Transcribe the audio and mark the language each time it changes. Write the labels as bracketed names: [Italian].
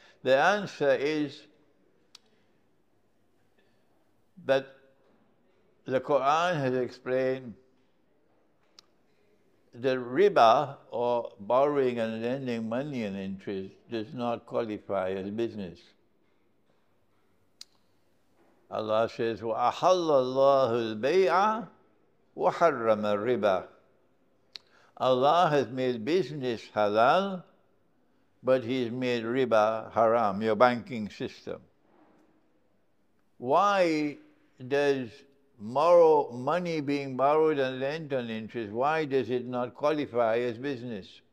[English] The answer is that the Quran has explained the riba, or borrowing and lending money and interest, does not qualify as business. Allah says, [Arabic] وَأَحَلَّ اللَّهُ الْبَيْعَ وَحَرَّمَ الرِّبَى. [English] Allah has made business halal, but He's made riba haram, your banking system. Why does money being borrowed and lent on interest, why does it not qualify as business?